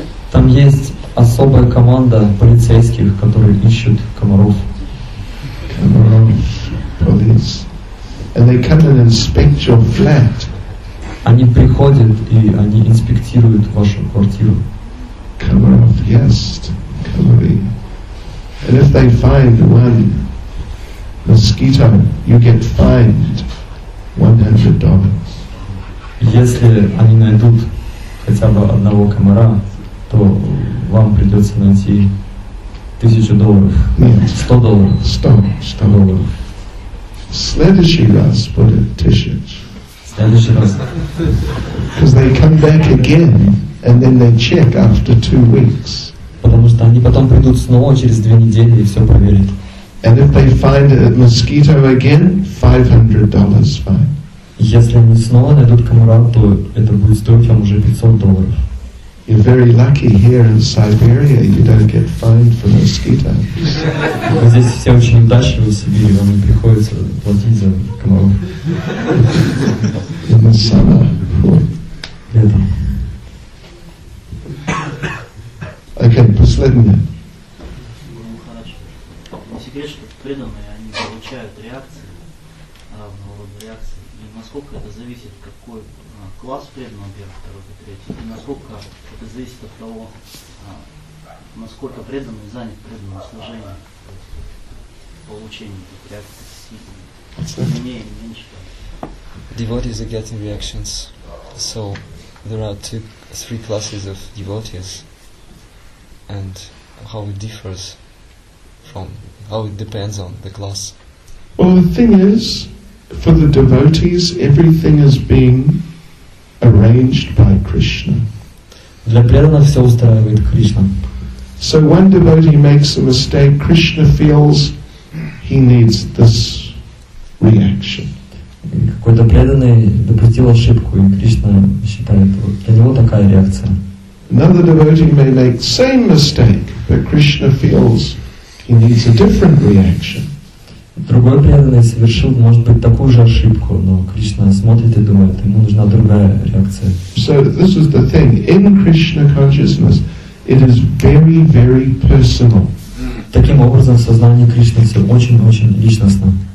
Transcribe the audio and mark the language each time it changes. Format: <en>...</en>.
<ru>Там есть особая команда полицейских, которые ищут комаров.</ru> <en>Комаров, police. And they come and inspect your flat.</en> <ru>Они приходят и они инспектируют вашу квартиру. Комаров, yes, комары.</ru> <en>And if they find one mosquito, you get fined $100.</en> <ru>Если они найдут хотя бы одного комара, то вам придется найти $1000. Нет. $100. Сто долларов. Следующий раз будет 1000. Следующий раз.</ru> <en>Because they come back again and then they check after 2 weeks.</en> <ru>Потому что они потом придут снова через 2 недели и все проверят.</ru> <en>And if they find a mosquito again, $500 fine.</en> <ru>Если они снова найдут комара, то это будет стоить вам уже $500.</ru> <en>You're very lucky here in Siberia, you don't get fined for mosquitoes.</en> <ru>Вы здесь все очень удачливы в Сибири, вам не приходится платить за комаров.</ru> <en>In the summer.</en> <ru>Летом. Okay, последнее. Ну, хорошо. Не секрет, что преданные, они получают реакции, равного рода реакции. И насколько это зависит, какой класс преданного, первый, второй, третий, и насколько это зависит от того, насколько преданный занят преданным служением, то есть получением этих реакций сильнее, меньше.</ru> <en>devotees are getting reactions. So there are three classes of devotees, and how it differs from how it depends on the class. Well, the thing is, for the devotees, everything is being arranged by Krishna.</en> <ru>Для преданных все устраивает Кришна.</ru> <en>So one devotee makes a mistake, Krishna feels he needs this reaction.</en> <ru>Какой-то преданный допустил ошибку, и Кришна считает, для него такая реакция.</ru> <en>Another devotee may make the same mistake, but Krishna feels he needs a different reaction.</en> <ru>Другой преданный совершил, может быть, такую же ошибку, но Кришна смотрит и думает, ему нужна другая реакция.</ru> <en>So this is the thing. In Krishna consciousness, it is very, very personal.</en> <ru>Таким образом, сознание Кришны все очень-очень личностно.</ru>